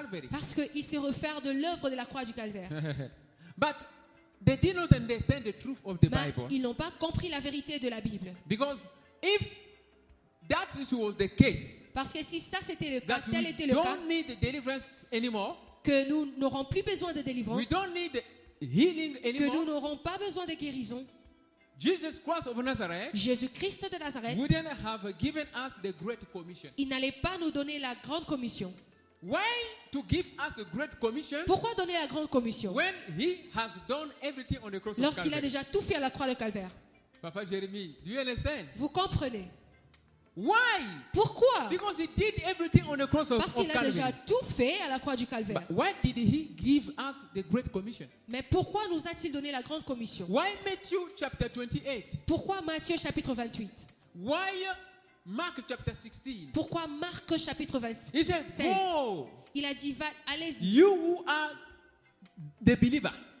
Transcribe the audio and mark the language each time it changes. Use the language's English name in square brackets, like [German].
[French] Parce qu'ils se réfèrent de l'œuvre de la croix du calvaire. [English] But they did not understand the truth of the Bible. [French] Ils n'ont pas compris la vérité de la Bible. [English] Because if that was the case, [French] parce que si ça c'était le cas, tel était le [English] don't [French] cas, [English] need deliverance anymore, [French] que nous n'aurons plus besoin de délivrance, [English] we don't need healing anymore, [French] que nous n'aurons pas besoin de guérison, [English] Jesus Christ of Nazareth, [French] Jésus Christ de Nazareth, [English] wouldn't have given us the great commission. [French] Il n'allait pas nous donner la grande commission. [English] Why to give us a great commission? [French] Pourquoi donner la grande commission? [English] When he has done everything on the cross. [French] Lorsqu'il [English] of Calvary. [French] A déjà tout fait à la croix de calvaire. [English] Papa Jérémie, do you understand? [French] Vous comprenez? [English] Why? [French] Pourquoi? [English] Because he did everything on the cross of Calvary. [French] Parce qu'il a déjà tout fait à la croix du calvaire. [English] But why did he give us the great commission? [French] Mais pourquoi nous a-t-il donné la grande commission? [English] Why Matthew chapter 28? [French] Pourquoi Matthieu chapitre 28? [English] Why Mark chapter 16? [French] Pourquoi Marc chapitre 26? [English] He said, "Go." [French] Il a dit, allez-y. [English] You who are the believer.